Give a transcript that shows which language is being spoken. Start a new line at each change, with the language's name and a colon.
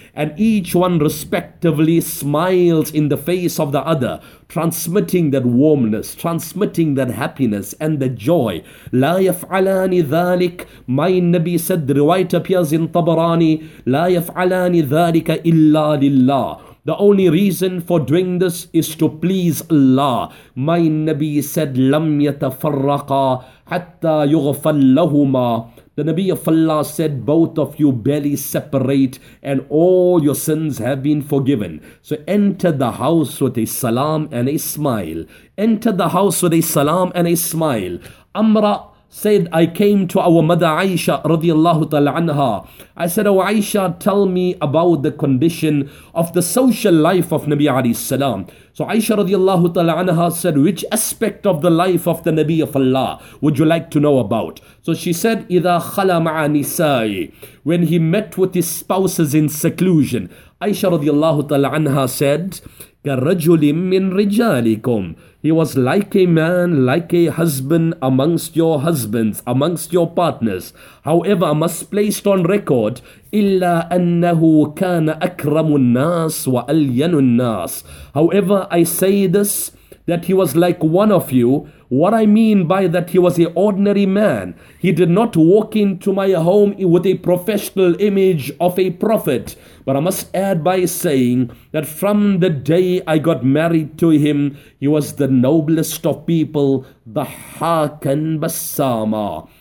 English: And each one respectively smiles in the face of the other, transmitting that warmness, transmitting that happiness and the joy.
Arabic: لَا يَفْعَلَانِ ذَلِكَ.
English: My Nabi said, the riwayat appears in Tabarani,
Arabic: لَا يَفْعَلَانِ ذَلِكَ إِلَّا لِلَّهِ.
English: The only reason for doing this is to please Allah. My Nabi said,
Arabic: لَمْ يَتَفَرَّقَا حَتَّى يُغْفَلْ لَهُمَا.
English: The Nabi of Allah said, both of you barely separate and all your sins have been forgiven. So enter the house with a salam and a smile. Enter the house with a salam and a smile. Amra said, I came to our mother Aisha
Arabic: radiallahu ta'ala anha.
English: I said, oh Aisha, tell me about the condition of the social life of Nabi
Arabic: alayhi salam.
English: So Aisha
Arabic: radiallahu ta'ala anha
English: said, which aspect of the life of the Nabi of Allah would you like to know about? So she said,
Arabic: إِذَا خَلَ مَعَ نِسَائِ,
English: when he met with his spouses in seclusion. Aisha
Arabic: radiallahu ta'ala anha
English: said,
Arabic: كَرَجُلٍ مِّن رِجَالِكُمْ,
English: he was like a man, like a husband amongst your husbands, amongst your partners. However, must placed on record,
Arabic: إِلَّا أَنَّهُ كَانَ أَكْرَمُ النَّاسِ وَأَلْيَنُ النَّاسِ.
English: However, I say this, that he was like one of you. What I mean by that, he was an ordinary man. He did not walk into my home with a professional image of a prophet. But I must add by saying that from the day I got married to him, he was the noblest of people, the Hakan Basama.